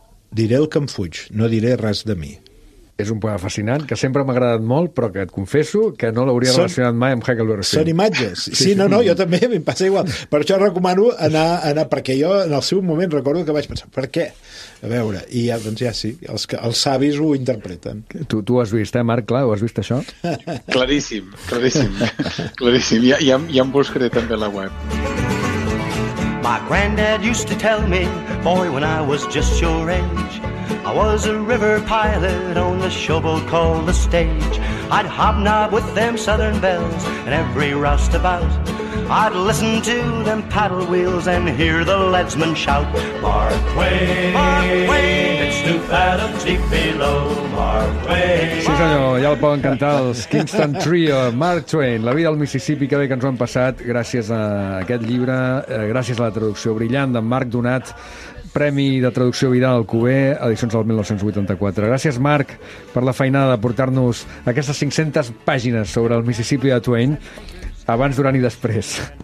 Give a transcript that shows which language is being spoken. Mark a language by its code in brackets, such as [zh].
[ca] Diré el que em fuig, no diré res de mi. És un poema fascinant, que sempre m'ha agradat molt, però que et confesso que no l'hauria relacionat mai amb Huckleberry Finn. Són imatges. Sí, jo també, em passa igual. Per això recomano anar, perquè jo en el seu moment recordo que vaig pensar, per què? A veure, i ja, doncs ja sí, els savis ho interpreten. Tu ho has vist, Marc, clar, ho has vist això? Claríssim. Ja em buscaré també la web. [en] My granddad used to tell me, boy, when I was just your age, I was a river pilot on the showboat called the stage. I'd hobnob with them southern bells and every roustabout. I'd listen to them paddle wheels and hear the leadsmen shout, Mark Twain, Mark Twain, it's 2 fathoms deep below, Mark Twain. [ca] Sí, senyor, ja el poden cantar els Kingston Trio, Mark Twain, La vida al Mississippi, que bé que ens ho han passat gràcies a aquest llibre, gràcies a la traducció brillant d'en Marc Donat, Premi de Traducció Vidal-Cuber, edicions del 1984. Gràcies, Marc, per la feinada de portar-nos aquestes 500 pàgines sobre el Mississippi de Twain, abans, durant i després.